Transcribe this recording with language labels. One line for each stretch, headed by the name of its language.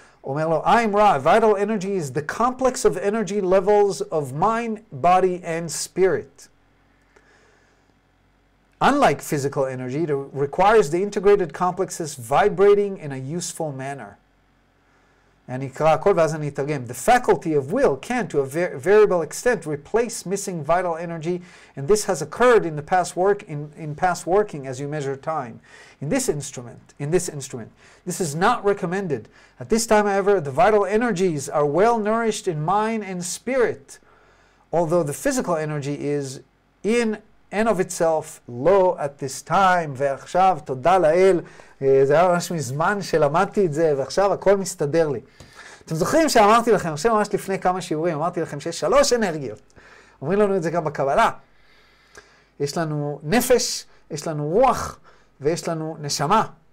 Hebrew: אומר לו,
English: I'm Ra, vital energy is the complex of energy levels of mind, body and spirit. Unlike physical energy, it requires the integrated complexes vibrating in a useful manner.
Hebrew: אני אקרא הכל ואז אני אתרגם.
English: The faculty of will can, to a variable extent, replace missing vital energy, and this has occurred in the past work, in past working, as you measure time. In this instrument, this is not recommended. At this time, however, the vital energies are well nourished in mind and spirit, although the physical energy is in and of itself low at this time.
Hebrew: ועכשיו, תודה לאל, זה היה ממש מזמן שלמדתי את זה, ועכשיו הכל מסתדר לי. אתם זוכרים שאמרתי לכם, אני חושב ממש לפני כמה שיעורים, אמרתי לכם שיש שלוש אנרגיות. אומרים לנו את זה גם בקבלה. יש לנו נפש, יש לנו רוח, ויש לנו נשמה.